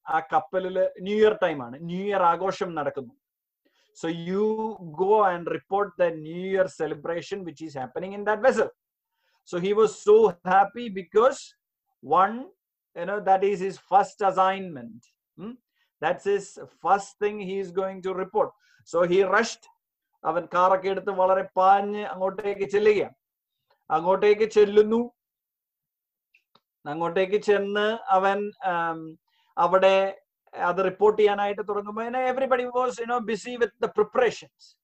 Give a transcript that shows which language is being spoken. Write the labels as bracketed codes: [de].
[ml] ആ കപ്പലില് ന്യൂഇയർ ടൈമാണ്, ന്യൂഇയർ ആഘോഷം നടക്കുന്നു. [en] So you go and report the new year celebration which is happening in that vessel. So he was so happy because one, you know, that is his first assignment. That's his first thing he is going to report. So he rushed. [ml] അവൻ കാറൊക്കെ എടുത്ത് വളരെ പാഞ്ഞ് അങ്ങോട്ടേക്ക് ചെല്ലുകയാണ്. അങ്ങോട്ടേക്ക് ചെല്ലുന്നു. അങ്ങോട്ടേക്ക് ചെന്ന് അവൻ അവിടെ അത് റിപ്പോർട്ട് ചെയ്യാനായിട്ട് തുടങ്ങുമ്പോ, [en] you know, everybody was, you know, busy with the preparations.